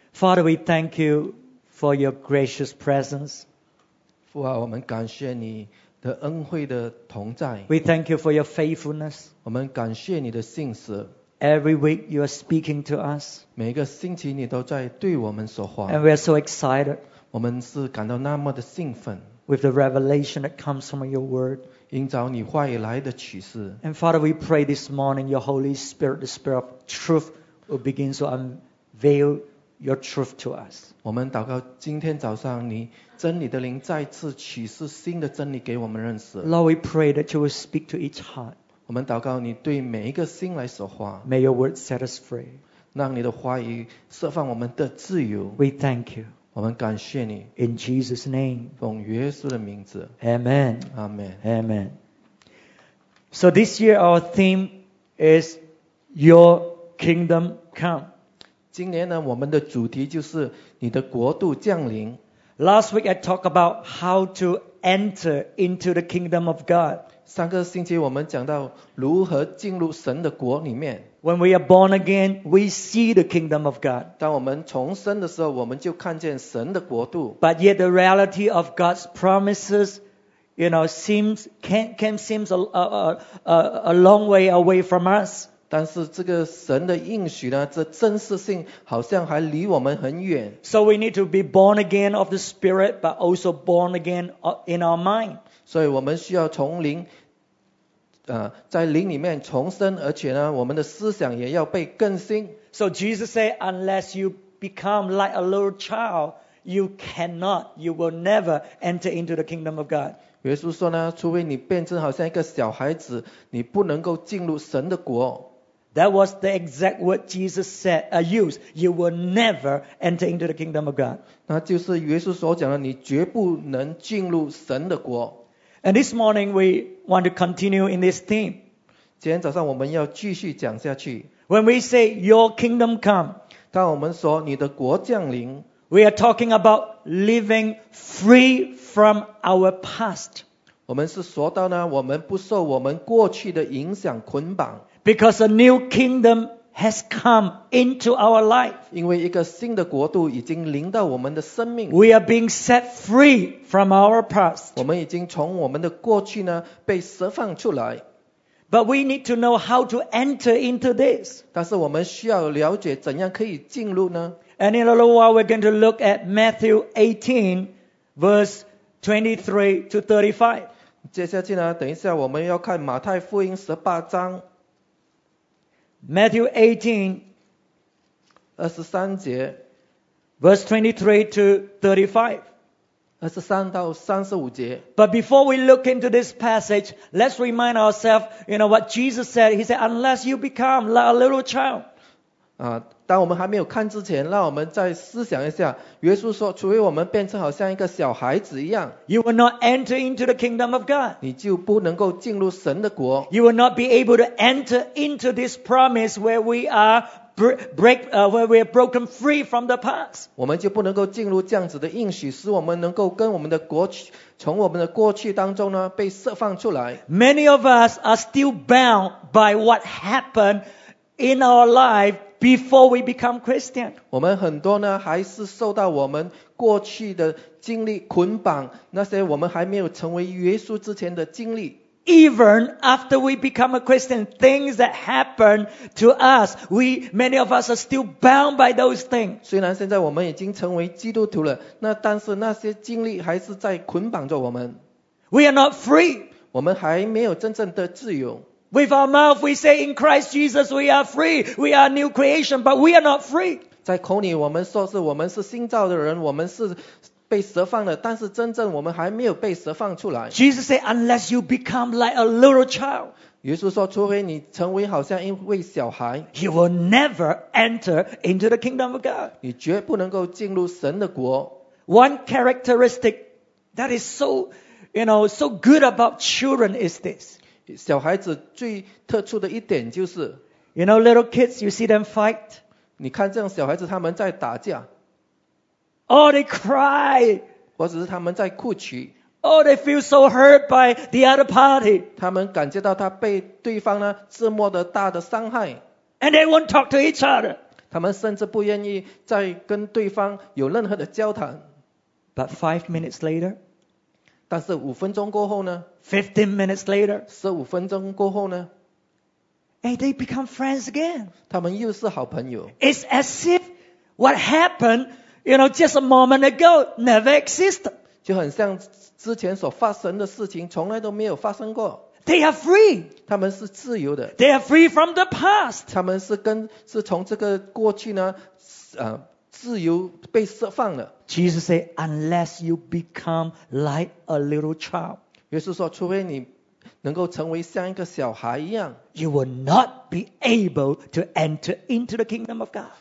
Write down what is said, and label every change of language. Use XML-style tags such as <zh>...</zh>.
<en>Father, we thank you for your gracious presence.</en> <zh>父啊，我们感谢你的恩惠的同在。</zh> <en>We thank you for your faithfulness.</en> <zh>我们感谢你的信实。</zh> <en>Every week you are speaking to us.</en> <zh>每个星期你都在对我们说话。</zh> <en>And we are so excited.</en> <zh>我们是感到那么的兴奋。</zh> <en>With the revelation that comes from your word.</en> <zh>因着你话语来的启示。</zh> <en>And Father, we pray this morning your Holy Spirit, the Spirit of truth, will begin to unveil your truth to us.</en> <zh>我们祷告今天早上你真理的灵再次启示新的真理给我们认识。</zh> <en>Lord, we pray that you will speak to each heart.</en> <zh>我们祷告你对每一个心来说话。</zh> <en>May your word set us free.</en> <zh>让你的话语释放我们的自由。</zh> <en>We thank you.</en> <zh>我们感谢你。</zh> <en>In Jesus' name.</en> <zh>奉耶稣的名字。</zh> <en>Amen. Amen. Amen. So this year our theme is Your Kingdom Come.</en> <zh>今年呢，我们的主题就是你的国度降临。</zh> <en>Last week I talked about how to enter into the kingdom of God.</en> <zh>上个星期我们讲到如何进入神的国里面。</zh> <en>When we are born again, we see the kingdom of God.</en> <zh>当我们重生的时候，我们就看见神的国度。</zh> <en>But yet the reality of God's promises, you know, seems can seems a long way away from us.</en> <zh>但是这个神的应许呢，这真实性好像还离我们很远。</zh> <en>So we need to be born again of the Spirit, but also born again in our mind.</en> <zh>所以我们需要从灵，在灵里面重生，而且呢，我们的思想也要被更新。</zh> <en>So Jesus said, unless you become like a little child, you cannot, you will never enter into the kingdom of God.</en> <zh>耶稣说呢，除非你变成好像一个小孩子，你不能够进入神的国。</zh> <en>That was the exact word Jesus said, used. You will never enter into the kingdom of God.</en> <zh>那就是耶稣所讲的，你绝不能进入神的国。</zh> <en>And this morning we want to continue in this theme.</en> <zh>今天早上我们要继续讲下去。</zh> <en>When we say your kingdom come,</en> <zh>当我们说你的国降临。</zh> <en>We are talking about living free from our past.</en> <zh>我们是说到呢，我们不受我们过去的影响捆绑。</zh> <en>Because a new kingdom has come into our life.</en> <zh>因为一个新的国度已经临到我们的生命。</zh> <en>We are being set free from our past.</en> <zh>我们已经从我们的过去呢被释放出来。</zh> <en>But we need to know how to enter into this.</en> <zh>但是我们需要了解怎样可以进入呢？</zh> <en>And in a little while, we're going to look at Matthew 18, verse 23 to 35.</en> <zh>接下去呢，等一下我们要看马太福音十八章。</zh> <en>Matthew 18,</en> <zh>二十三节</zh> <en>verse 23 to 35.</en> <zh>二十三到三十五节。</zh> <en>But before we look into this passage, let's remind ourselves, you know, what Jesus said. He said, unless you become like a little child.</en> <zh>当我们还没有看之前，让我们再思想一下。耶稣说，除非我们变成好像一个小孩子一样，</zh> <en>You will not enter into the kingdom of God.</en> <zh>你就不能够进入神的国。</zh> <en>You will not be able to enter into this promise where we are where we are broken free from the past.</en> <zh>我们就不能够进入这样子的应许，使我们能够跟我们的国去，从我们的过去当中呢被释放出来。</zh> <en>Many of us are still bound by what happened in our life. Before we become Christian,</en> <zh>我们很多呢还是受到我们过去的经历捆绑，那些我们还没有成为耶稣之前的经历。</zh> <en>Even after we become a Christian, things that happen to us, many of us are still bound by those things.</en> <zh>虽然现在我们已经成为基督徒了，那但是那些经历还是在捆绑着我们。</zh> <en>We are not free.</en> <zh>我们还没有真正的自由。</zh> <en>With our mouth, we say in Christ Jesus, we are free. We are a new creation, but we are not free.</en> <zh>在口里我们说是我们是新造的人，我们是被释放的，但是真正我们还没有被释放出来。</zh> <en>Jesus said, unless you become like a little child,</en> <zh>耶稣说，除非你成为好像一位小孩，</zh> <en>you will never enter into the kingdom of God.</en> <zh>你绝不能够进入神的国。</zh> <en>One characteristic that is so, you know, so good about children is this.</en> <zh>小孩子最特殊的一点就是</zh> <en>You know little kids, you see them fight.</en> <zh>你看这样小孩子他们在打架。</zh> <en>Oh, they cry.</en> <zh>或者是他们在哭泣。</zh> <en>Oh, they feel so hurt by the other party.</en> <zh>他们感觉到他被对方呢这么的大的伤害。</zh> <en>And they won't talk to each other.</en> <zh>他们甚至不愿意再跟对方有任何的交谈。</zh> <en>But 5 minutes later,</en> <zh>但是五分钟过后呢</zh> <en>？15 minutes later,</en> <zh>十五分钟过后呢</zh> <en>？Hey, they become friends again.</en> <zh>他们又是好朋友。</zh> <en>It's as if what happened, you know, just a moment ago never existed.</en> <zh>就很像之前所发生的事情从来都没有发生过。</zh> <en>They are free.</en> <zh>他们是自由的。</zh> <en>They are free from the past.</en> <zh>他们是从这个过去呢，自由被释放了。</zh> <en>Jesus said, "Unless you become like a little child."</en> <zh>耶稣说，除非你能够成为像一个小孩一样</zh> <en>，You will not be able to enter into the kingdom of God.</en>